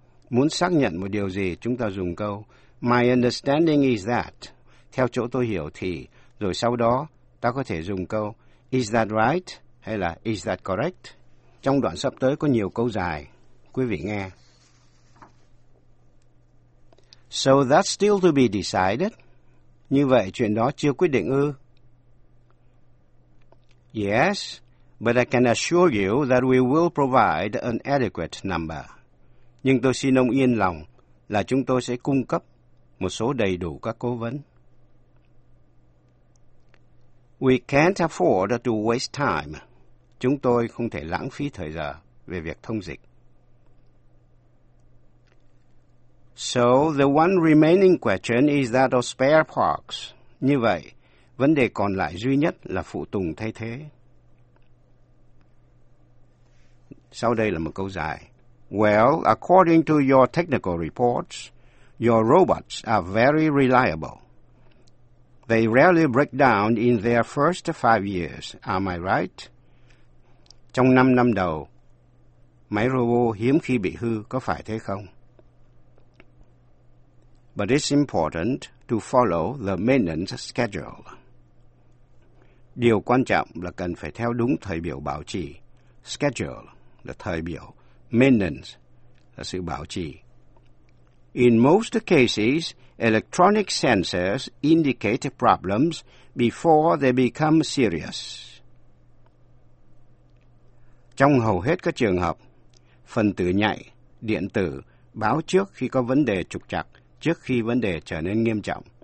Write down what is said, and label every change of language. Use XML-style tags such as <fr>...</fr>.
<vi>Muốn xác nhận một điều gì, chúng ta dùng câu</vi> <en>My understanding is that.</en> <vi>Theo chỗ tôi hiểu thì, rồi sau đó, ta có thể dùng câu</vi> <en>Is that right?</en> <vi>Hay là</vi> <en>Is that correct?</en> <vi>Trong đoạn sắp tới có nhiều câu dài. Quý vị nghe.</vi> <en>So that's still to be decided.</en> <vi>Như vậy, chuyện đó chưa quyết định ư?</vi> <en>Yes, but I can assure you that we will provide an adequate number.</en> <vi>Nhưng tôi xin ông yên lòng là chúng tôi sẽ cung cấp một số đầy đủ các cố vấn.</vi> <en>We can't afford to waste time.</en> <vi>Chúng tôi không thể lãng phí thời giờ về việc thông dịch.</vi> <en>So the one remaining question is that of spare parts.</en> <vi>Như vậy, vấn đề còn lại duy nhất là phụ tùng thay thế. Sau đây là một câu dài.</vi> <en>Well, according to your technical reports, Your robots are very reliable. They rarely break down in their first 5 years, am I right?</en> <vi>Trong 5 năm đầu, máy robot hiếm khi bị hư, có phải thế không?</vi> <en>But it's important to follow the maintenance schedule.</en> <vi>Điều quan trọng là cần phải theo đúng thời biểu bảo trì. Schedule là thời biểu. Maintenance là sự bảo trì.</vi> <en>In most cases, electronic sensors indicate problems before they become serious.</en> <vi>Trong hầu hết các trường hợp, phần tử nhạy, điện tử, báo trước khi có vấn đề trục trặc, trước khi vấn đề trở nên nghiêm trọng.</vi>